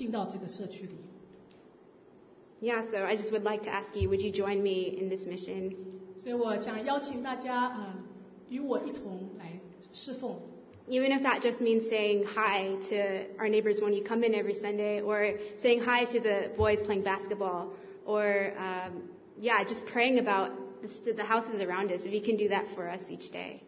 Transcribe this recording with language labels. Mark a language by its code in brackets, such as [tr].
[zh] 我觉得神好像在鼓励我们要往前，不只是说有一个平常的周间的聚会，而是更深入的、更深的进到这个社区里。Yeah, [en] so I just would like to ask you, would you join me in this mission? [zh] 所以我想邀请大家 与我一同来侍奉。 [en] Even if that just means saying hi to our neighbors when you come in every Sunday, or saying hi to the boys playing basketball, or yeah, just praying about the houses around us, if you can do that for us each day.